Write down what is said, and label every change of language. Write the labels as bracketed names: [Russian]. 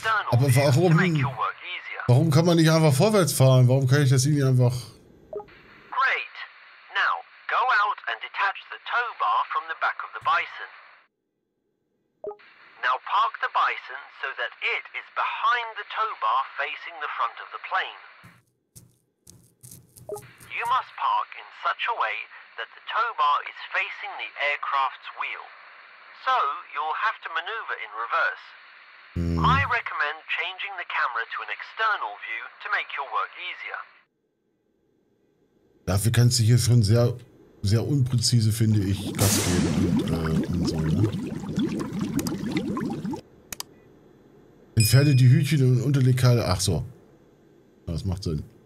[German] Aber warum kann man nicht einfach vorwärts fahren? Warum kann ich das irgendwie einfach? [English] Great. Now go out and detach the tow bar from the back of the Bison. Now park the Bison so that it is behind the tow bar facing the front of the plane. You must park in such a way that the tow bar is facing the aircraft's wheel. So you'll have to maneuver in reverse. I recommend changing the camera to an external view to make your work easier. [German] Dafür kannst du hier schon sehr, sehr unpräzise, finde ich, Gas geben und so, ne? Entferne die Hütchen und Unterlegkeile. Ach so. Das macht Sinn.